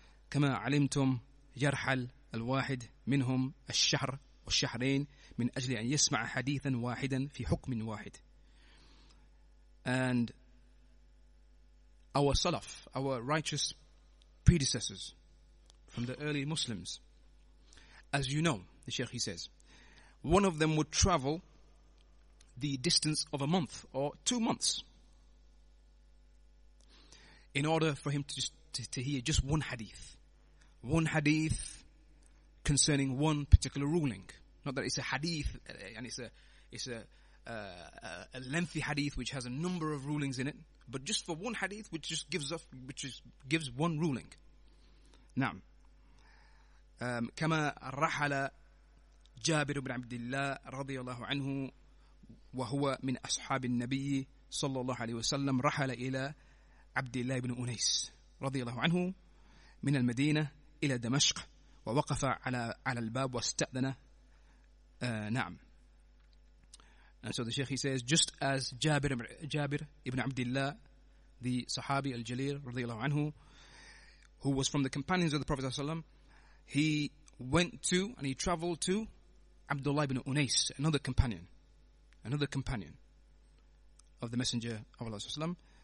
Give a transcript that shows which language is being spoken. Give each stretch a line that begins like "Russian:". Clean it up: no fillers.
Arabic: كما علمتم يرحل الواحد منهم الشهر والشهرين من أجل أن يسمع حديثا واحدا في حكم واحد.
English: And our salaf, our righteous predecessors from the early Muslims, as you know, the Sheikh, he says, one of them would travel the distance of a month or 2 months in order for him to hear just one hadith. One hadith concerning one particular ruling. Not that it's a hadith, and it's a lengthy hadith which has a number of rulings in it, but just for one hadith which gives one ruling. Now,
Arabic: كما رحل جابر بن عبد الله رضي الله عنه وهو من أصحاب النبي صلى الله عليه وسلم رحل إلى عبد الله بن أنيس رضي الله عنه من المدينة إلى دمشق ووقف على الباب واستأذن نعم.
English: And so the Sheikh, he says, just as Jabir ibn Abdullah, the Sahabi al-Jalil radiyallahu anhu, who was from the companions of the Prophet ﷺ, he went to and he traveled to Abdullah ibn Unais, another companion of the Messenger of Allah ﷺ.